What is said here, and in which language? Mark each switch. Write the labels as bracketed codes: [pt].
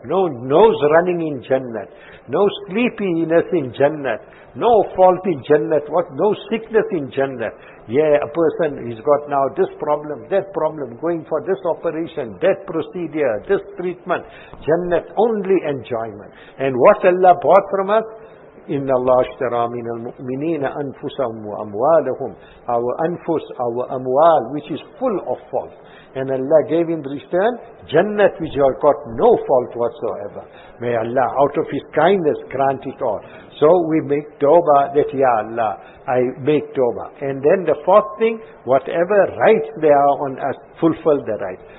[en] No nose running in Jannat. No sleepiness in Jannat. No fault in Jannat. What? No sickness in Jannat. Yeah, a person has got now this problem, that problem, going for this operation, that procedure, this treatment. Jannat, only enjoyment. And what Allah bought from us? [ar] إن الله اشترى من المؤمنين أنفسهم وأموالهم. [en] Our anfus, our amwal, which is full of fault. And Allah gave in return Jannat, which have got no fault whatsoever. May Allah, out of His kindness, grant it all. So we make tawbah that, Ya Allah, I make tawbah. And then the fourth thing, whatever rights there are on us, fulfill the rights.